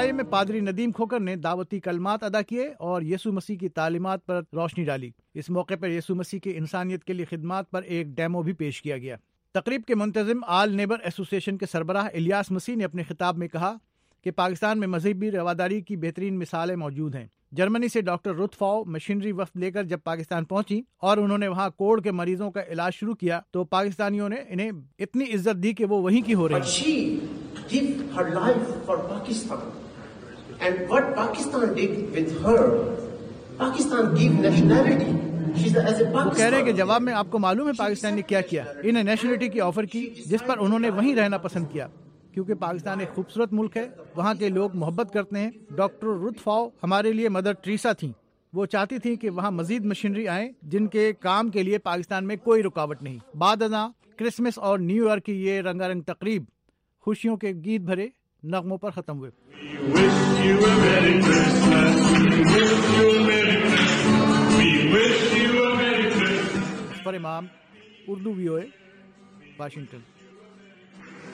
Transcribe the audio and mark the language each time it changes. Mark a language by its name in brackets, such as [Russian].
[Urdu] پادری ندیم کھوکر نے دعوتی کلمات ادا کیے اور یسوع مسیح کی تعلیمات پر روشنی ڈالی۔ اس موقع پر یسوع مسیح کی انسانیت کے لیے خدمات پر ایک ڈیمو بھی پیش کیا گیا۔ تقریب کے منتظم آل نیبر ایسوسی ایشن کے سربراہ الیاس مسیح نے اپنے خطاب میں کہا کہ پاکستان میں مذہبی رواداری کی بہترین مثالیں موجود ہیں۔ جرمنی سے ڈاکٹر روتھ فاؤ مشینری وفد لے کر جب پاکستان پہنچی اور انہوں نے وہاں کوڑ کے مریضوں کا علاج شروع کیا تو پاکستانیوں نے انہیں اتنی عزت دی کہ وہ وہیں کی ہو رہی ہیں۔ [English] And what Pakistan did with her, Pakistan gave nationality. [Urdu] وہ کہہ رہے ہیں کہ جواب میں آپ کو معلوم ہے پاکستان نے کیا کیا، انہیں نیشنلٹی کی آفر کی، جس پر انہوں نے وہیں رہنا پسند کیا کیونکہ پاکستان ایک خوبصورت ملک ہے، وہاں کے لوگ محبت کرتے ہیں۔ ڈاکٹر روتھ فاؤ ہمارے لیے مدر ٹریسا تھیں، وہ چاہتی تھیں کہ وہاں مزید مشینری آئیں جن کے کام کے لیے پاکستان میں کوئی رکاوٹ نہیں۔ بعد ازاں کرسمس اور نیو ایئر کی یہ رنگا رنگ تقریب خوشیوں کے گیت بھرے نغموں پر ختم ہوئے۔ پر امام، اردو وی او اے، واشنگٹن۔